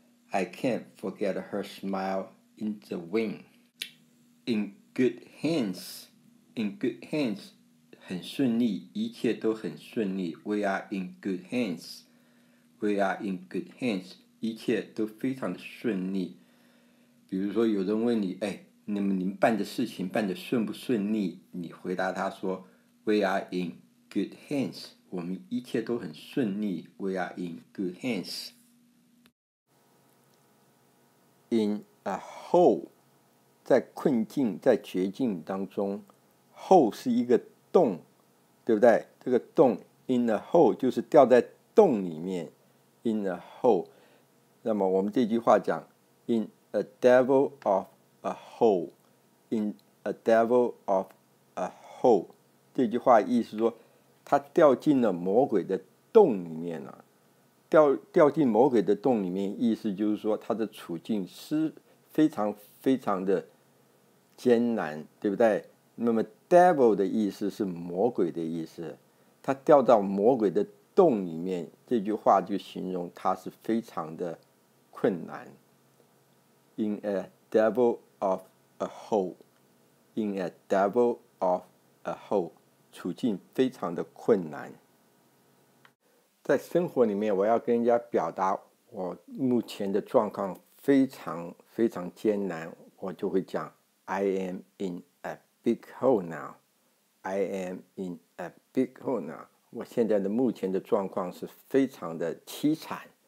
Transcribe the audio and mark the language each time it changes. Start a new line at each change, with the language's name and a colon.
English: I can't forget her smile In the wind。 In good hands， In good hands，
Chinese: 很顺利，一切都很顺利。
English: We are in good hands， We are in good hands，
Chinese: 一切都非常的顺利。比如说有人问你，哎，那么您办的事情办得顺不顺利，你回答他说
English: We are in good hands，
Chinese: 我们一切都很顺利。
English: We are in good hands。 In a hole，
Chinese: 在困境在绝境当中。 hole 是一个洞，对不对？这个洞
English: in a hole
Chinese: 就是掉在洞里面 in a hole。那么我们这句话讲
English: in a devil of a hole， in a devil of a hole，
Chinese: 这句话意思说他掉进了魔鬼的洞里面了。掉进魔鬼的洞里面，意思就是说他的处境是非常非常的艰难，对不对？那么 devil 的意思是魔鬼的意思，他掉到魔鬼的洞里面，这句话就形容他是非常的困难。
English: In a devil of a hole， In a devil of a hole，
Chinese: 处境非常的困难。在生活里面我要跟人家表达我目前的状况非常非常艰难，我就会讲
English: I am inBig hole now， I am in a big hole now，
Chinese: 我现在的目前的状况是非常的凄惨。